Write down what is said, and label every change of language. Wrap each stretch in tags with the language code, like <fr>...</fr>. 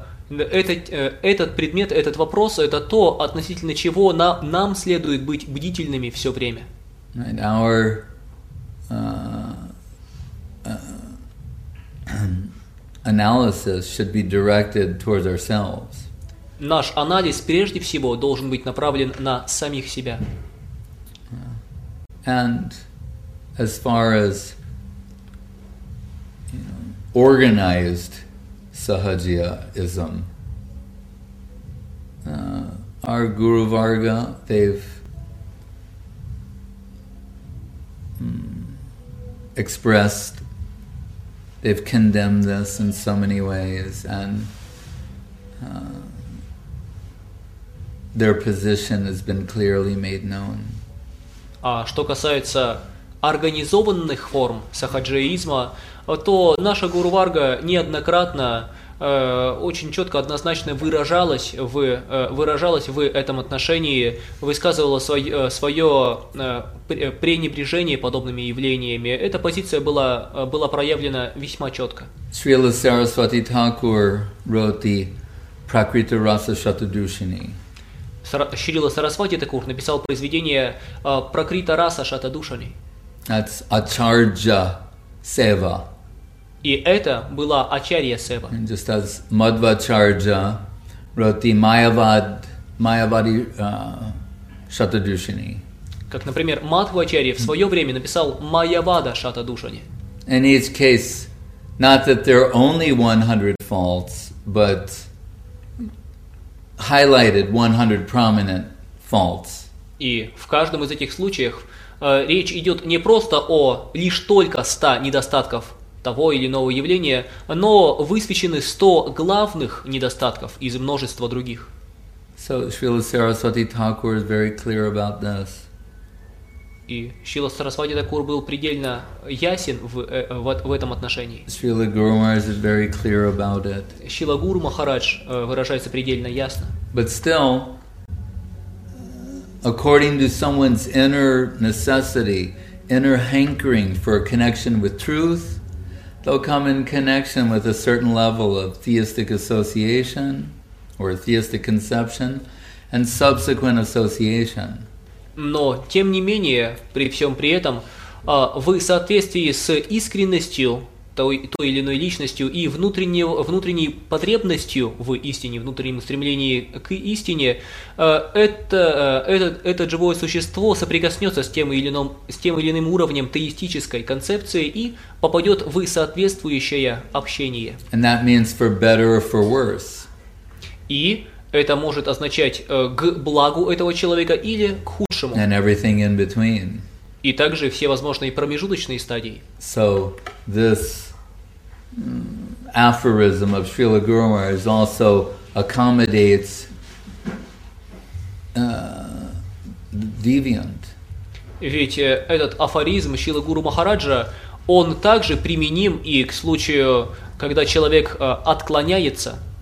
<ru>Этот предмет, этот вопрос, это то, относительно чего нам следует быть бдительными все время.</ru> <en>And our analysis should be directed towards ourselves.</en> <ru>Наш анализ прежде всего должен быть направлен на самих себя.</ru> <en>And as far as organized sahajiyaism, our Guru Varga, they've expressed. They've condemned this in so many ways, and their position has been clearly made known.</en> <ru>А что касается организованных форм сахаджиизма, то наша Гуру Варга неоднократно очень четко, однозначно выражалась в этом отношении, высказывала свое пренебрежение подобными явлениями. Эта позиция была проявлена весьма четко.</ru> <en>Шрила Сарасвати Такур wrote the Prakrita Rasa Shatadushini.</en> <ru>Шрила Сарасвати Такур написал произведение Prakrita Rasa Shatadushini.</ru> <en>That's Acharya Seva.</en> <ru>И это была Ачарья Сева.</ru> <en>And just as Madhvacharya wrote the Mayavadi Shatadushini.</en> <ru>Как, например, Мадхвачарья в свое время написал Майявада Шатадушани.</ru> <en>In each case, not that there are only 100 faults, but highlighted 100 prominent faults.</en> <ru>И в каждом из этих случаев речь идет не просто о лишь только 100 недостатков того или иного явления, но высвечены 100 главных недостатков из множества других.</ru> <en>So Srila Saraswati Thakur is very clear about this.</en> <ru>И Шрила Сарасвати Такур был предельно ясен в этом отношении.</ru> <en>Srila Guru Maharaj is very clear about it.</en> <ru>Шрила Гуру Махарадж выражается предельно ясно.</ru> <en>But still, according to someone's inner necessity, inner hankering for a connection with truth, they'll come in connection with a certain level of theistic association or theistic conception and subsequent association.</en> <ru>Но, тем не менее, при всем при этом, в соответствии с искренностью той или иной личностью и внутренней потребностью в истине, внутреннем стремлении к истине, это живое существо соприкоснется с тем или иным уровнем теистической концепции и попадет в соответствующее общение.</ru> <en>And that means for better or for worse.</en> <ru>И это может означать к благу этого человека или к худшему.</ru> <en>And everything in between.</en> <ru>И также все возможные промежуточные стадии.</ru> <en>So this aphorism of Srila Guru Maharaj also accommodates deviant.</en> <ru>Ведь этот афоризм Шрилы Гуру Махараджа, он также применим и к случаю, когда человек отклоняется.</ru>